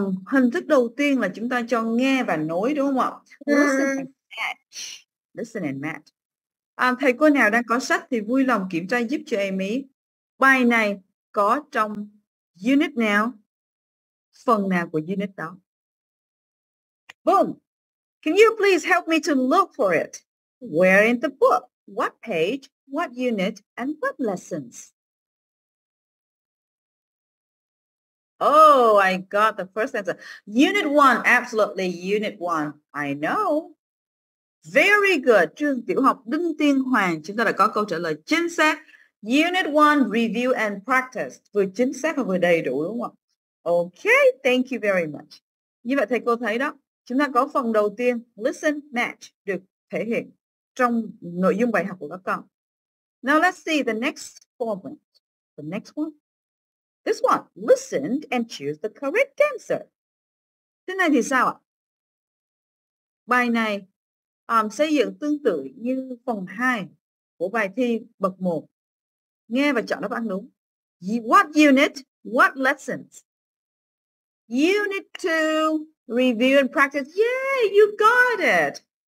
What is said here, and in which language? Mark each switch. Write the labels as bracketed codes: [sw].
[vi] Hình thức đầu tiên là chúng ta cho nghe và nối đúng không ạ? [en] Listen and match. Listen and match. [vi] Thầy cô nào đang có sách thì vui lòng kiểm tra giúp cho em ý. Bài này có trong unit nào? Phần nào của unit đó? Boom. [en] Can you please help me to look for it? Where in the book? What page? What unit? And what lessons? Oh, I got the first answer. Unit 1, absolutely unit 1. I know. Very good. [vi] Trường tiểu học Đinh Tiên Hoàng, chúng ta đã có câu trả lời chính xác. [en] Unit 1, review and practice. [vi] Vừa chính xác và vừa đầy đủ đúng không? [en] Okay, thank you very much. [vi] Như vậy thầy cô thấy đó, chúng ta có phần đầu tiên, listen, match, được thể hiện trong nội dung bài học của các con. [en] Now let's see the next format. The next one. This one, listen and choose the correct answer. [vi] Thế này thì sao ạ? Bài này xây dựng tương tự như phần 2 của bài thi bậc 1. Nghe và chọn đáp án đúng. [en] What unit, what lessons? Unit 2, review and practice. Yay, you got it.